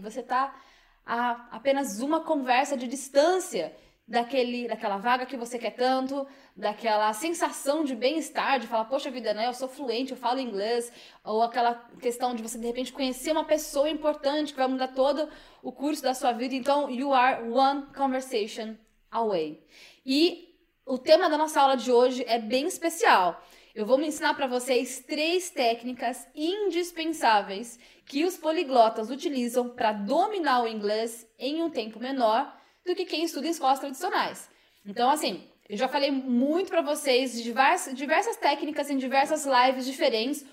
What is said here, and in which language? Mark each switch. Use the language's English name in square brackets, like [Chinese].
[Portuguese] Você tá a apenas uma conversa de distância daquela vaga que você quer tanto, daquela sensação de bem-estar, de falar, poxa vida, né? Eu sou fluente, eu falo inglês, ou aquela questão de você de repente conhecer uma pessoa importante que vai mudar todo o curso da sua vida. [English] Então, you are one conversation away. [Portuguese] E o tema da nossa aula de hoje é bem especial. Eu vou me ensinar para vocês 3 técnicas indispensáveis que os poliglotas utilizam para dominar o inglês em um tempo menor do que quem estuda em escolas tradicionais. Então, assim, eu já falei muito para vocês de diversas técnicas em diversas lives diferentes.